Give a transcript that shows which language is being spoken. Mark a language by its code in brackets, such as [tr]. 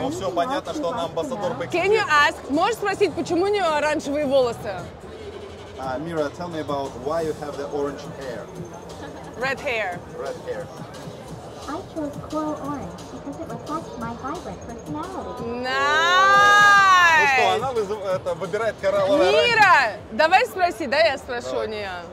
[ru] Ну все, понятно, что она амбассадор. [en] Can you ask? [ru] Можешь спросить, почему у нее оранжевые волосы? [en] Mira, tell me about why you have the orange hair. Red hair. Red hair. I chose coral orange because it reflects my vibrant personality. Nice. [ru] Ну что, она выбирает коралловый оранж. Мира, давай спроси, да, я спрошу у нее.